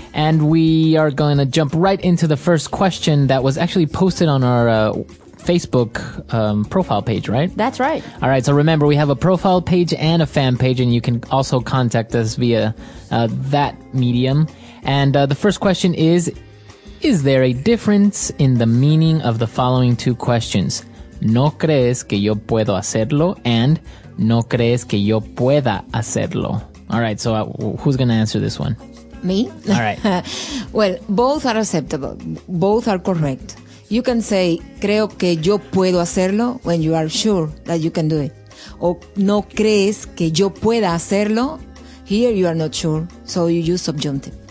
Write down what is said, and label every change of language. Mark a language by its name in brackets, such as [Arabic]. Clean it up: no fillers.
[English] And we are going to jump right into the first question that was actually posted on our Facebook profile page, right? That's right. All right. So remember, we have a profile page and a fan page, and you can also contact us via that medium. And the first question is there a difference in the meaning of the following two questions? [Spanish] ¿No crees que yo puedo hacerlo? [English] And [Spanish] ¿no crees que yo pueda hacerlo? [English] All right. So who's going to answer this one? Me. All right. Well, both are acceptable. Both are correct. You can say, [Spanish] creo que yo puedo hacerlo, [English] when you are sure that you can do it. [Spanish] O no crees que yo pueda hacerlo, [English] here you are not sure, so you use subjunctive.